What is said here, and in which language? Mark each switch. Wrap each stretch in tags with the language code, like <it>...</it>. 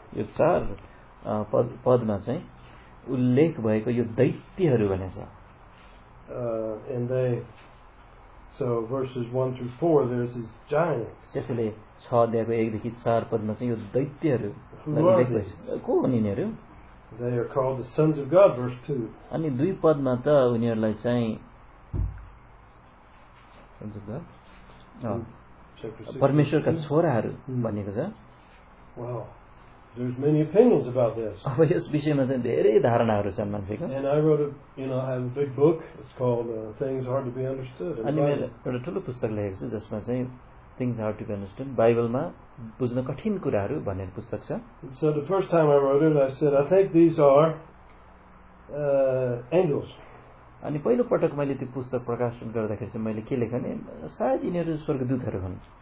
<ne>यो चार पदमा चाहिँ उल्लेख भएको यो दैत्यहरू भनेछ.</ne> <en>And they so verses 1 through 4 there's these giants.</en> <ne>त्यसैले 6 अध्यायको 1 देखि 4 पदमा चाहिँ यो दैत्यहरू को हुन् यिनीहरू.</ne> <en>They are called the sons of God, verse 2.</en> <ne>अनि दुई पदमा त उनीहरूलाई चाहिँ</ne> <en>sons of God</en> <ne>परमेश्वरका छोराहरू भनिएको छ.</ne> <en>Wow. There's many opinions about this.</en> <ne>अब यस विषयमा चाहिँ धेरै धारणाहरू छन् मान्छेको.</ne> <en>And I wrote I have a big book. It's called Things Hard to Be Understood.</en> <ne>अनि मैले एउटा ठुलो पुस्तक लेखेको छु जसमा चाहिँ Things Hard to Be Understood, बाइबलमा बुझ्न कठिन कुराहरू भनेर पुस्तक छ.</ne> <en>So the first time I wrote it, I said, I think these are angels.</en> <ne>अनि पहिलो पटक मैले त्यो पुस्तक प्रकाशन गर्दाखेरि चाहिँ मैले के लेखेँ भने सायद यिनीहरू स्वर्गदूतहरू हुन्.</ne>